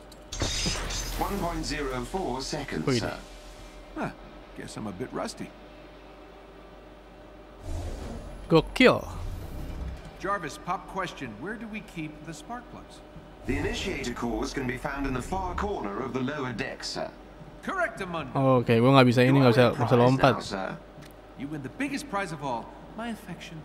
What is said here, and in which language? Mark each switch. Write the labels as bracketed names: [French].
[English] 1.04 seconds, wait. Sir. Huh, guess I'm a bit rusty. Go kill. Jarvis, pop question. Where do we keep the spark plugs? The initiator cores can be found in the far corner of the lower deck, sir. Correct, Amon. [Indonesian] Okay, gua enggak bisa ini, enggak usah masa lompat. [English] You win the biggest prize of all, my affection.